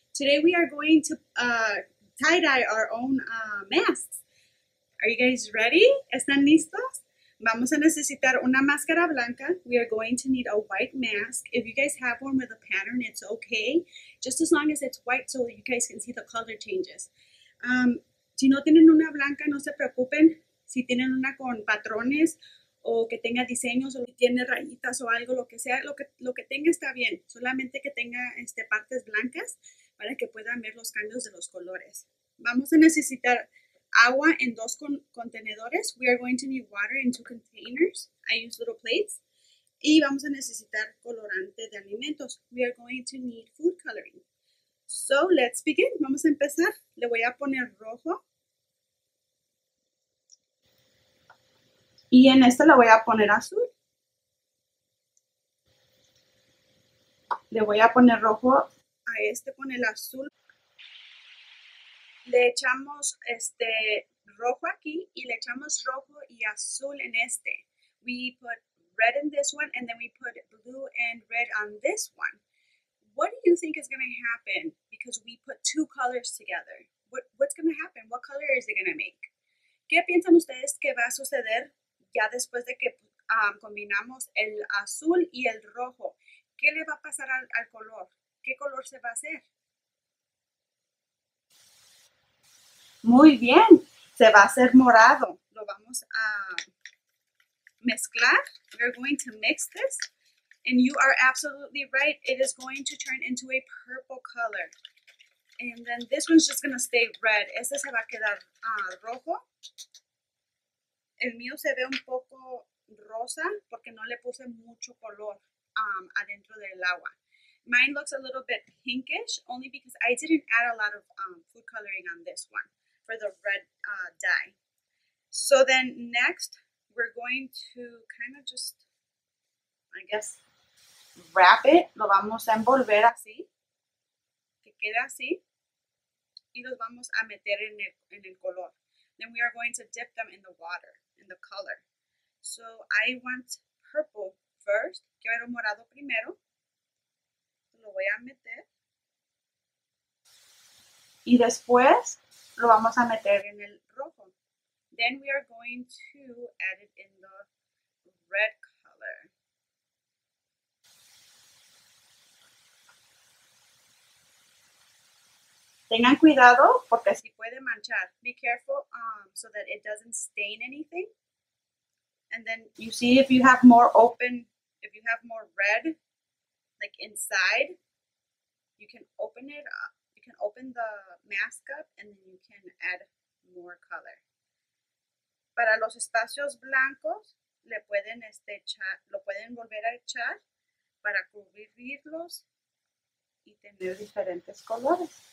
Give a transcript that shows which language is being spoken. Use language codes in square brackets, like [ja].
[en] Today we are going to tie-dye our own masks. Are you guys ready? [es] ¿Están listos? Vamos a necesitar una máscara blanca. [en] We are going to need a white mask. If you guys have one with a pattern, it's okay. Just as long as it's white so you guys can see the color changes. [es] Si no tienen una blanca, no se preocupen. Si tienen una con patrones, o que tenga diseños, o que tiene rayitas o algo, lo que sea, lo que tenga está bien. Solamente que tenga partes blancas para que puedan ver los cambios de los colores. Vamos a necesitar agua en dos contenedores. [en] We are going to need water in two containers. I use little plates. [es] Y vamos a necesitar colorante de alimentos. [en] We are going to need food coloring. So, let's begin. [es] Vamos a empezar. Le voy a poner rojo. Y en esta le voy a poner azul. Le voy a poner rojo a este con el azul. Le echamos rojo aquí y le echamos rojo y azul en este. [en] We put red in this one and then we put blue and red on this one. What do you think is going to happen because we put two colors together? What's going to happen? What color is it going to make? [es] ¿Qué piensan ustedes que va a suceder? Ya después de que combinamos el azul y el rojo, ¿qué le va a pasar al color? ¿Qué color se va a hacer? Muy bien, se va a hacer morado. Lo vamos a mezclar. [en] We're going to mix this. And you are absolutely right, it is going to turn into a purple color. And then this one's just going to stay red. [es] Este se va a quedar rojo. El mío se ve un poco rosa porque no le puse mucho color adentro del agua. [en] Mine looks a little bit pinkish only because I didn't add a lot of food coloring on this one for the red dye. So then next, we're going to kind of just, I guess, wrap it. [es] Lo vamos a envolver así, que quede así, y los vamos a meter en el color. [en] Then we are going to dip them in the water. In the color. So I want purple first. [es] Quiero morado primero. Lo voy a meter. Y después lo vamos a meter en el rojo. [en] Then we are going to add it in the red color. [es] Tengan cuidado porque si puede manchar. [en] Be careful so that it doesn't stain anything. And then you see if you have more open, if you have more red, like inside, you can open it up. You can open the mask up and then you can add more color. [es] Para los espacios blancos, le pueden echar, lo pueden volver a echar para cubrirlos y tener diferentes colores.